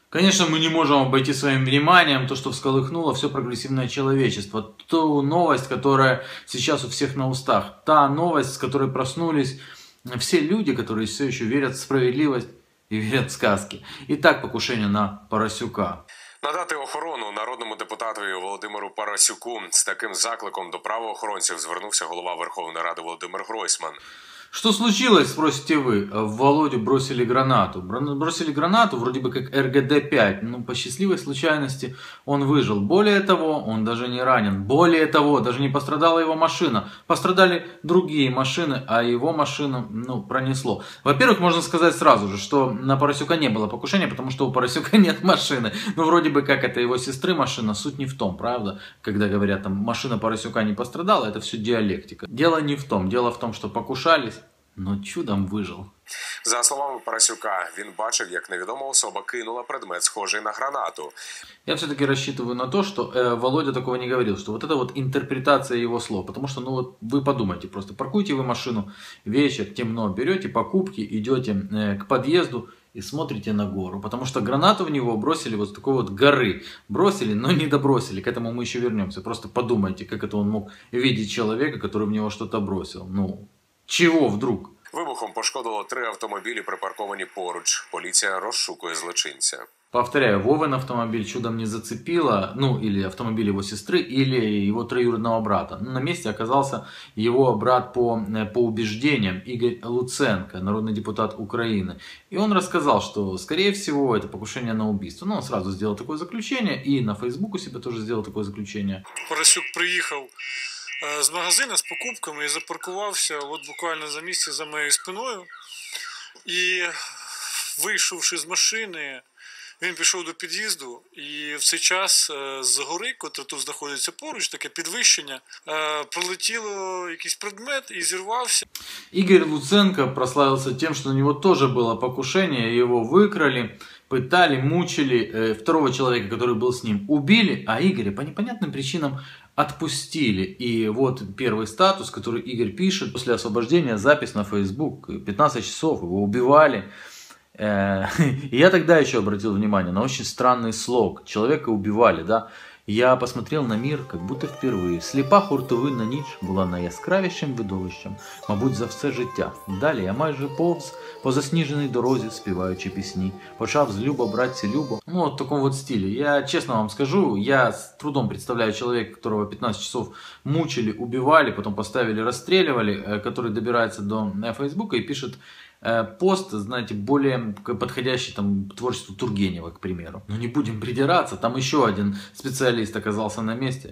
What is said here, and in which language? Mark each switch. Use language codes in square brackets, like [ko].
[ru] Конечно, мы не можем обойти своим вниманием то, что всколыхнуло все прогрессивное человечество. Ту новость, которая сейчас у всех на устах. Та новость, с которой проснулись все люди, которые все еще верят в справедливость и верят в сказки. Итак, покушение на Парасюка. [uk] Надати охорону народному депутатові Володимиру Парасюку. З таким закликом до правоохоронців звернувся голова Верховної Ради Володимир Гройсман. [ru] Что случилось, спросите вы? В Володю бросили гранату. Бросили гранату, вроде бы как РГД-5, но по счастливой случайности он выжил. Более того, он даже не ранен. Более того, даже не пострадала его машина. Пострадали другие машины, а его машину, ну, пронесло. Во-первых, можно сказать сразу же, что на Парасюка не было покушения, потому что у Парасюка нет машины. Ну, вроде бы как это его сестры машина, суть не в том, правда? Когда говорят, там, машина Парасюка не пострадала, это все диалектика. Дело не в том. Дело в том, что покушали, но чудом выжил. [uk] За словами Парасюка, він бачив, як невідома особа кинула предмет, схожий на гранату. [ru] Я все-таки рассчитываю на то, что Володя такого не говорил, что вот это вот интерпретация его слов. Потому что, ну вот, вы подумайте, просто паркуете вы машину, вечер, темно, берете покупки, идете к подъезду и смотрите на гору. Потому что гранату в него бросили вот с такой вот горы. Бросили, но не добросили. К этому мы еще вернемся. Просто подумайте, как это он мог видеть человека, который в него что-то бросил. Ну, чего вдруг? [uk] Вибухом пошкодило 3 автомобілі, припарковані поруч. Поліція розшукує злочинця. [ru] Повторяю, [uk] Вовин автомобіль [ru] чудом не зацепило, ну, или автомобиль его сестры, или его троюродного брата. Ну, на месте оказался его брат по убеждениям, Игорь Луценко, народный депутат Украины. И он рассказал, что, скорее всего, это покушение на убийство. Ну, он сразу сделал такое заключение, и на Фейсбуку себе тоже сделал такое заключение. [uk] Парасюк приехал з магазина з покупками і запаркувався от буквально за місце за моєю спиною. І вийшовши з машини, він пішов до під'їзду, і в цей час з гори, котра тут знаходиться поруч, таке підвищення, пролетіло якийсь предмет і зірвався. Ігор Луценко прославився тим, що на нього теж було покушення, його викрали. [ru] Пытали, мучили второго человека, который был с ним, убили, а Игоря по непонятным причинам отпустили. И вот первый статус, который Игорь пишет после освобождения, запись на Facebook, 15 часов его убивали. И я тогда еще обратил внимание на очень странный слог. Человека убивали, да? Я посмотрел на мир, как будто впервые. [uk] Сліпа хуртовина ніч була найяскравішим видовищем, мабуть, за все життя. Далі я майже повз по засніженій дорозі, співаючи пісні. Почав з Любо братці Любо. Ну, от в такому от стилі. Я чесно вам скажу, [ru] я з трудом представляю чоловіка, которого 15 часов мучили, убивали, потом поставили, розстрілювали, который добирается до Фейсбука і пишет пост, знаете, более подходящий там творчеству Тургенева, к примеру. Но не будем придираться, там еще один специалист оказался на месте.